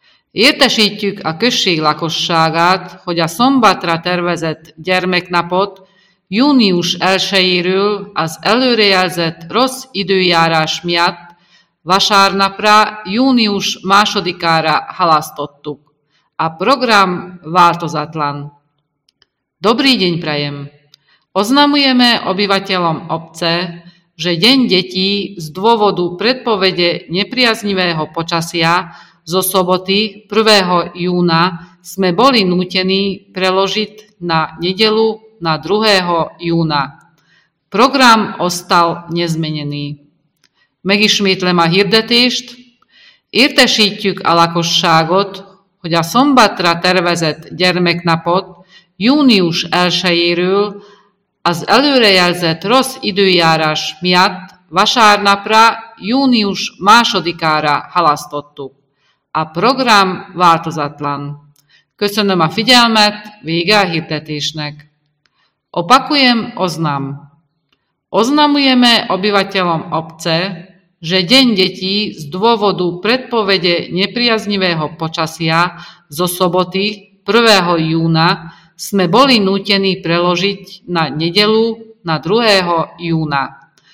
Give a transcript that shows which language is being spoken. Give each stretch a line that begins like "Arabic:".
Hungarian: Értesítjük a község lakosságát, hogy a szombatra tervezett gyermeknapot június 1-jéről az előrejelzett rossz időjárás miatt vasárnapra június 2-ára halasztottuk. A program változatlan.
Slovak: Dobrý deň prajem! Oznamujeme obyvateľom obce, že deň detí z dôvodu predpovede nepriaznivého počasia zo soboty 1. júna sme boli nútení preložiť na nedeľu na 2. júna. Program ostal nezmenený.
Hungarian: Megismétlem a hirdetést. Értesítjük a lakosságot, hogy a szombatra tervezett gyermeknapot június 1-jéről az előrejelzett rossz időjárás miatt vasárnapra június 2-ára halasztottuk. A program változatlan. Köszönöm a figyelmet, vége a hirdetésnek.
Slovak: Opakujem oznam. Oznamujeme obyvateľom obce, že deň detí z dôvodu predpovede nepriaznivého počasia zo soboty 1. júna sme boli nútení preložiť na nedeľu na 2. júna.